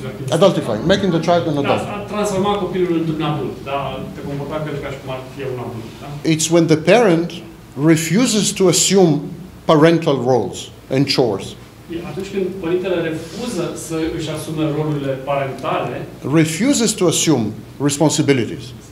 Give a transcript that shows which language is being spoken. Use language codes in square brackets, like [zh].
[en] Adultifying, making the child an adult. [ro] Transforma copilul într-un adult, dar te comporta ca și cum ar fi un adult. [en] It's when the parent refuses to assume parental roles and chores. [ro] Atunci când părintele refuză să își asume rolurile parentale, [en] refuses to assume responsibilities.